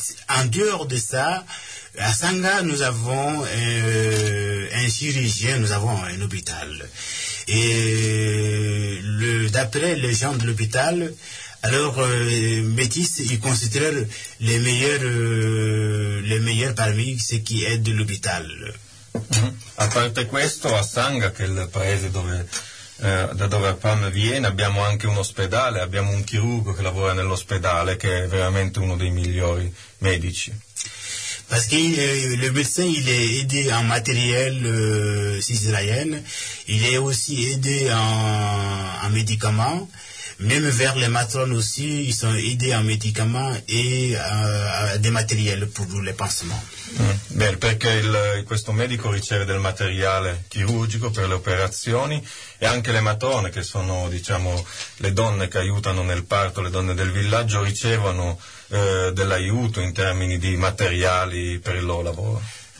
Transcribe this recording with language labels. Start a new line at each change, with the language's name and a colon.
French: En dehors de ça, à Sanga, nous avons un chirurgien, nous avons un hôpital. Et d'après les gens de l'hôpital, alors Métis, ils considèrent les meilleurs parmi ceux qui aident l'hôpital.
Italian: Mm-hmm. A parte questo, a Sanga, che è il paese da dove Pam viene, abbiamo anche un ospedale, abbiamo un chirurgo che lavora nell'ospedale, che è veramente uno dei migliori medici.
French: Parce que le médecin, il est aidé en matériel israélien, il est aussi aidé en médicaments, même vers les matrones aussi, ils sont aidés en médicaments et des matériels pour les pansements. Mm.
Italian: Bene, perché questo medico riceve del materiale chirurgico per le operazioni e anche le matrone, che sono diciamo le donne che aiutano nel parto, le donne del villaggio, ricevono dell'aiuto in termini di materiali per il loro lavoro.